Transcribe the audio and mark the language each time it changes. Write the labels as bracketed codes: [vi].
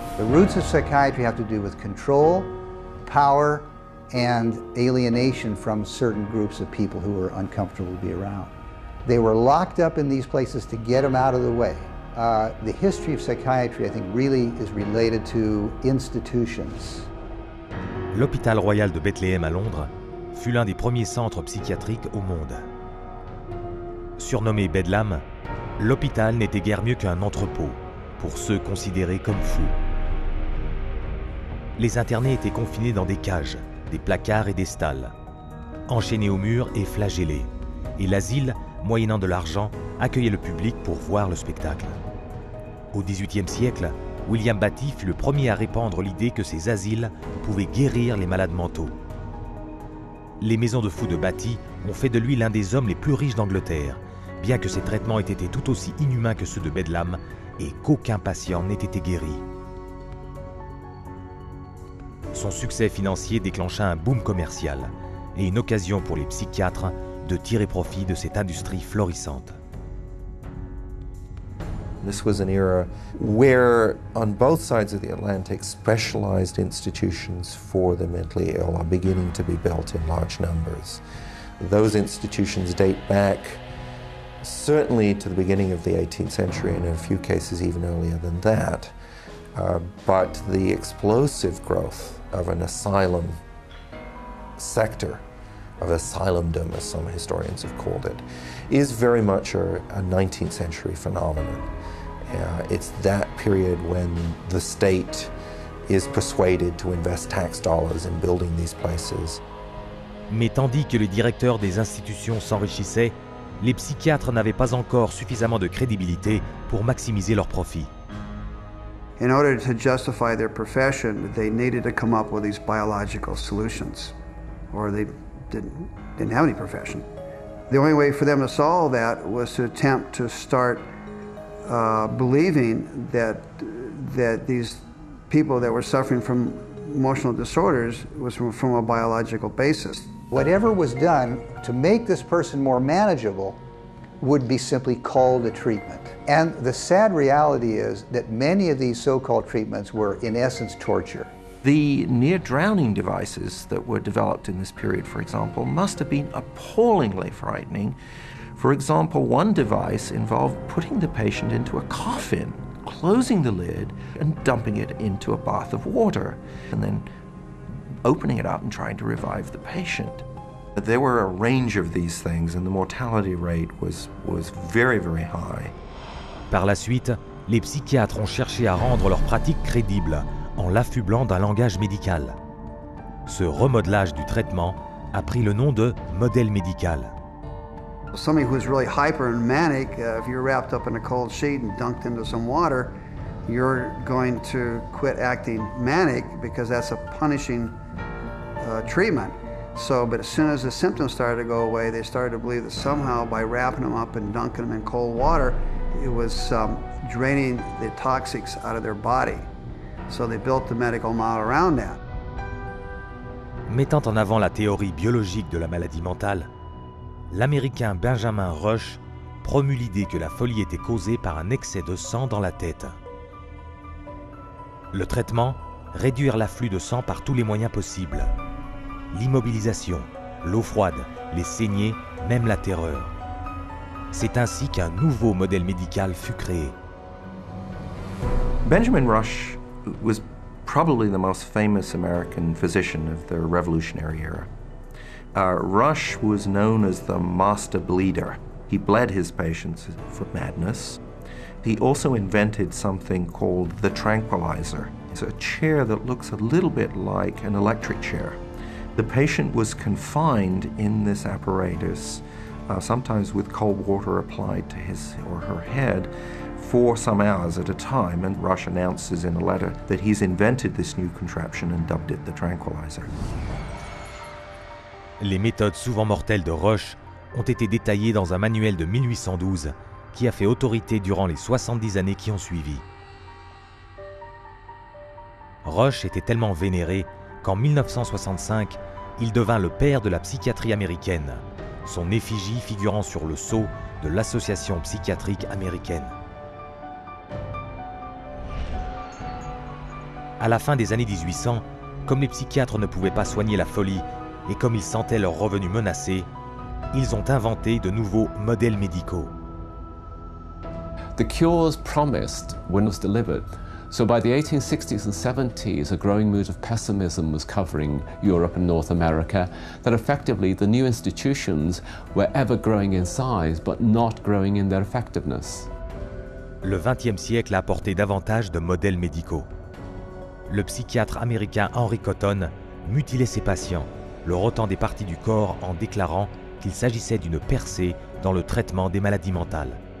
[en] Roots of psychiatry have to do with control, power, and alienation from certain groups of people who were uncomfortable to be around. They were locked up in these places to get them out of the way. The history of psychiatry, I think, really is related to institutions. [fr] L'Hôpital Royal de Bethléem à Londres fut l'un des premiers centres psychiatriques au monde. Surnommé Bedlam, l'hôpital n'était guère mieux qu'un entrepôt pour ceux considérés comme fous. Les internés étaient confinés dans des cages, des placards et des stalles, enchaînés aux murs et flagellés. Et l'asile, moyennant de l'argent, accueillait le public pour voir le spectacle. Au XVIIIe siècle, William Batty fut le premier à répandre l'idée que ces asiles pouvaient guérir les malades mentaux. Les maisons de fous de Batty ont fait de lui l'un des hommes les plus riches d'Angleterre, bien que ses traitements aient été tout aussi inhumains que ceux de Bedlam et qu'aucun patient n'ait été guéri. Son succès financier déclencha un boom commercial et une occasion pour les psychiatres de tirer profit de cette industrie florissante. [en] This was an era where, on both sides of the Atlantic, specialized institutions for the mentally ill are beginning to be built in large numbers. Those institutions date back certainly to the beginning of the 18th century and in a few cases even earlier than that. But the explosive growth of an asylum sector, of asylumdom, as some historians have called it, is very much a 19th century phenomenon. It's that period when the state is persuaded to invest tax dollars in building these places. [fr] Mais tandis que les directeurs des institutions s'enrichissaient, les psychiatres n'avaient pas encore suffisamment de crédibilité pour maximiser leurs profits. [en] In order to justify their profession, they needed to come up with these biological solutions, or they didn't have any profession. The only way for them to solve that was to attempt to start believing that these people that were suffering from emotional disorders was from a biological basis. Whatever was done to make this person more manageable would be simply called a treatment. And the sad reality is that many of these so-called treatments were, in essence, torture. The near-drowning devices that were developed in this period, for example, must have been appallingly frightening. For example, one device involved putting the patient into a coffin, closing the lid, and dumping it into a bath of water, and then opening it up and trying to revive the patient. There were a range of these things, and the mortality rate was very, very high. [fr] Par la suite, les psychiatres ont cherché à rendre leur pratique crédible en l'affublant d'un langage médical. Ce remodelage du traitement a pris le nom de modèle médical. [en] Somebody who's really hyper and manic, if you're wrapped up in a cold sheet and dunked into some water, you're going to quit acting manic because that's a punishing treatment. So, but as soon as the symptoms started to go away, they started to believe that somehow by wrapping them up and dunking them in cold water, it was draining the toxics out of their body. So they built the medical model around that. [fr] Mettant en avant la théorie biologique de la maladie mentale, l'Américain Benjamin Rush promut l'idée que la folie était causée par un excès de sang dans la tête. Le traitement, réduire l'afflux de sang par tous les moyens possibles. L'immobilisation, l'eau froide, les saignées, même la terreur. C'est ainsi qu'un nouveau modèle médical fut créé. [en] Benjamin Rush was probably the most famous American physician of the Revolutionary era. Rush was known as the master bleeder. He bled his patients for madness. He also invented something called the tranquilizer. It's a chair that looks a little bit like an electric chair. The patient was confined in this apparatus sometimes with cold water applied to his or her head, for some hours at a time. And Rush announces in a letter that he's invented this new contraption and dubbed it the tranquilizer. [fr] Les méthodes souvent mortelles de Rush ont été détaillées dans un manuel de 1812 qui a fait autorité durant les 70 années qui ont suivi. Rush était tellement vénéré qu'en 1965, il devint le père de la psychiatrie américaine, son effigie figurant sur le sceau de l'Association psychiatrique américaine. À la fin des années 1800, comme les psychiatres ne pouvaient pas soigner la folie et comme ils sentaient leurs revenus menacés, ils ont inventé de nouveaux modèles médicaux. [en] The cures promised when was delivered. So by the 1860s and 70s, a growing mood of pessimism was covering Europe and North America, that effectively the new institutions were ever growing in size but not growing in their effectiveness. [fr] Le 20e siècle a apporté davantage de modèles médicaux. Le psychiatre américain Henry Cotton mutilait ses patients, leur ôtant des parties du corps en déclarant qu'il s'agissait d'une percée dans le traitement des maladies mentales.